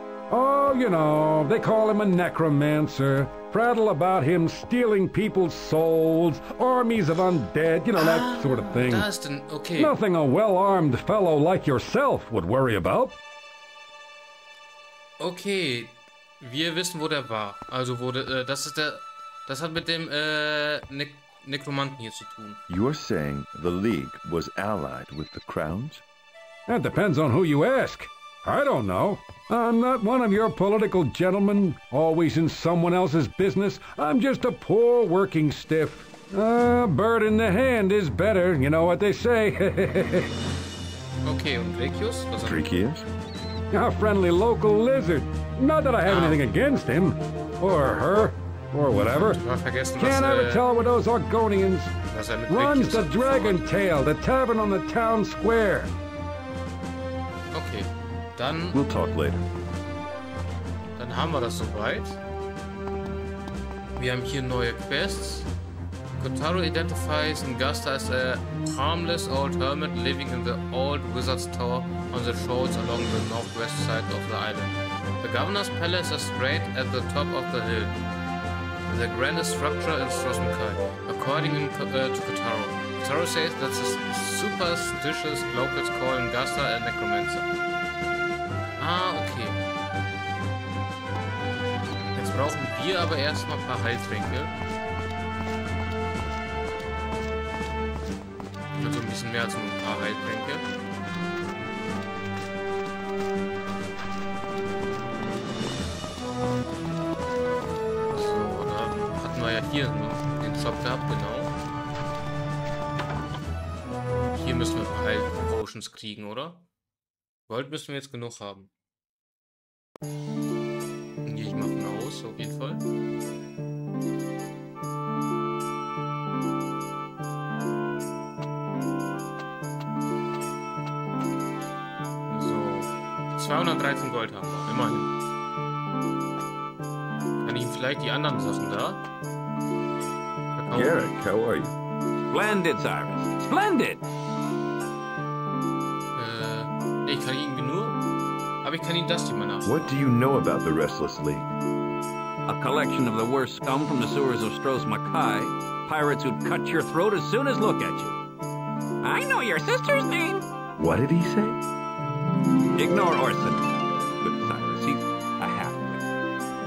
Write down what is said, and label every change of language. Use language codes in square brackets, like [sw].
[en] Oh, you know, they call him a necromancer. Prattle about him stealing people's souls, armies of undead, you know, that sort of thing. Dustin, okay. Nothing a well-armed fellow like yourself would worry about. [de] Okay, wir wissen, wo der war. Also, wo der, das ist der, das hat mit dem, Nekromanten hier zu tun. [en] You're saying the League was allied with the Crowns? That depends on who you ask. I don't know. I'm not one of your political gentlemen, always in someone else's business. I'm just a poor working stiff. A bird in the hand is better, you know what they say. Okay, Drekius? Drekius? A friendly local lizard. Not that I have anything against him. Or her. Or whatever. Can't ever tell with those Argonians. Runs the Dragon Tail, the tavern on the town square. [de] Okay. Dann, [en] we'll talk later. [de] Dann haben wir das soweit. Wir haben hier neue Quests. [en] Kotaro identifies Ngasta as a harmless old hermit living in the old wizard's tower on the shores along the northwest side of the island. The governor's palace is straight at the top of the hill, the grandest structure in Stros M'kai, according to Kotaro. Kotaro says that the superstitious locals call Ngasta a necromancer. Ah, okay. [de] Jetzt brauchen wir aber erstmal ein paar Heiltränke. Also ein bisschen mehr als ein paar Heiltränke. So, da hatten wir ja hier noch den Shop gehabt, genau. Hier müssen wir ein paar Heil-Potions kriegen, oder? Gold müssen wir jetzt genug haben. Hier, ich mach ihn aus, auf jeden Fall. So, 213 Gold haben wir, immerhin. Kann ich ihm vielleicht die anderen Sachen da verkaufen? [en] Garrick, how are you? Splendid, Cyrus, splendid! [de] Ich kann ihn nur, aber ich kann ihn das hier mal nachfragen. [en] What do you know about the Restless League? A collection of the worst scum from the sewers of Stros M'kai. Pirates who'd cut your throat as soon as look at you. I know your sister's name. What did he say? Ignore Orson. But Cyrus, he's a half.